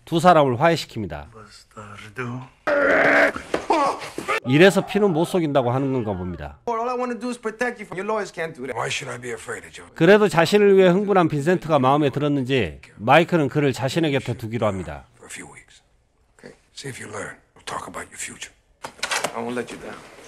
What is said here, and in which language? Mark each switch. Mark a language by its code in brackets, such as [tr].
[ko] 두 사람을 화해시킵니다. 이래서 피는 못 속인다고 하는 건가 봅니다. [en] All I want to do is protect you from your lawyers can't do that. Why should I be afraid of Joe? [ko] 그래도 자신을 위해 흥분한 빈센트가 마음에 들었는지 마이클은 그를 자신의 곁에 두기로 합니다. [en] For a few weeks. Okay. See if you learn. We'll talk about your future. I won't let you down.